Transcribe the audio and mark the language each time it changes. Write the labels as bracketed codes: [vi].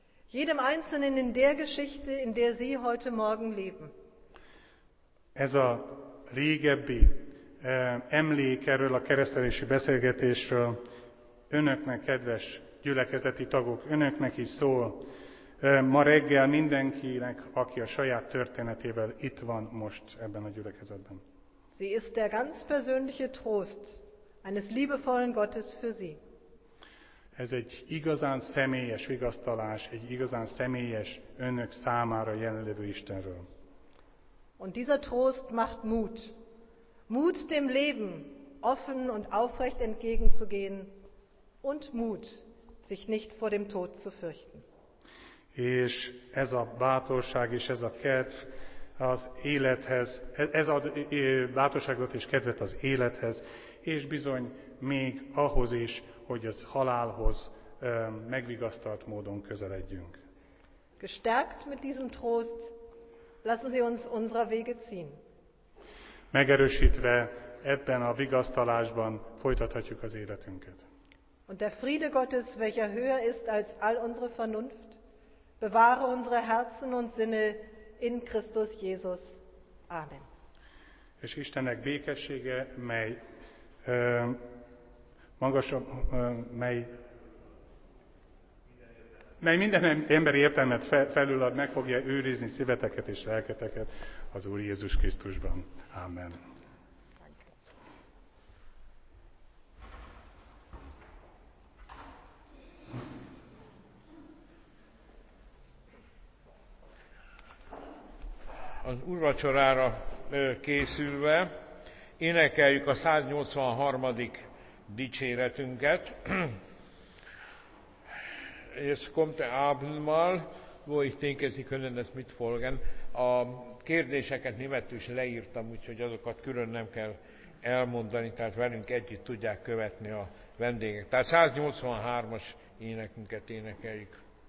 [de] Jedem Einzelnen in der Geschichte, in der Sie heute Morgen leben. [hu] Ez a régebbi emlék erről a keresztelési beszélgetésről önöknek, kedves gyülekezeti tagok, önöknek is szól. Ma reggel mindenkinek, aki a saját történetével itt van most ebben a gyülekezetben. [de] Sie ist der ganz persönliche Trost eines liebevollen Gottes für Sie. [hu] Ez egy igazán személyes vigasztalás, egy igazán személyes önök számára jelenlévő Istenről. [de] Und dieser Trost macht Mut. Mut dem Leben offen und aufrecht entgegenzugehen und Mut, sich nicht vor dem Tod zu fürchten. [hu] És ez a bátorság és ez a kedv az élethez, ez ad bátorságot és kedvet az élethez, és bizony még ahhoz is, hogy az halálhoz megvigasztalt módon közeledjünk. [de] Gestärkt mit diesem Trost, lassen Sie uns unserer Wege ziehen. [hu] Megerősítve ebben a vigasztalásban folytathatjuk az életünket. [de] Und der Friede Gottes, welcher höher ist als all unsere Vernunft, bewahre unsere Herzen und Sinne in Christus Jesus. Amen. [hu] És Istennek békessége, mely magasabb, mely minden emberi értelmet felülad, meg fogja őrizni szíveteket és lelketeket az Úr Jézus Krisztusban. Amen. Az úrvacsorára készülve énekeljük a 183. dicséretünket. [de] Es kommt der Abendmahl, wo ich denke, Sie können es mitfolgen. [hu] A kérdéseket németül is leírtam, úgyhogy azokat külön nem kell elmondani, tehát velünk együtt tudják követni a vendégek. Tehát 183-as énekünket énekeljük.